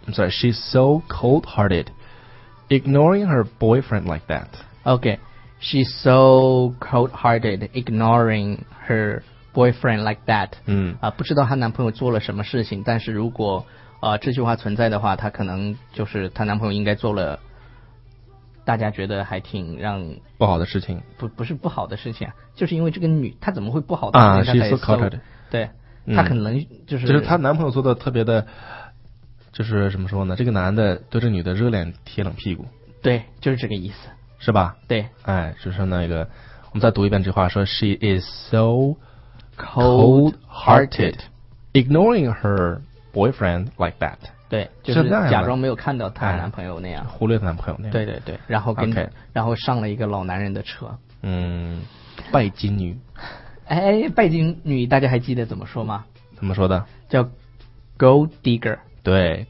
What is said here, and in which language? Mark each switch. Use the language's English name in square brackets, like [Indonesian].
[English] she's so cold hearted, ignoring her boyfriend like that. Okay, she's so cold hearted, ignoring herboyfriend like that, [Chinese] 不知道她男朋友做了什么事情，但是如果这句话存在的话，她可能就是她男朋友应该做了大家觉得还挺让不好的事情。不是不好的事情、就是因为这个女她怎么会不好的事情、 [English] she's so cold, [Chinese] 对，她可能就是她男朋友做的特别的，就是怎么说呢，这个男的对这女的热脸贴冷屁股。对，就是这个意思是吧？对，哎，就是那个我们再读一遍这句话，说 [English] she is soc old-hearted, ignoring her boyfriend like that. [Chinese] 对，就是假装没有看到她男朋友那样，忽略她男朋友那样。对对对，然后跟、 [English] okay. [Chinese] 然后上了一个老男人的车。拜金女。哎，拜金女，大家还记得怎么说吗？怎么说的？叫 gold digger。对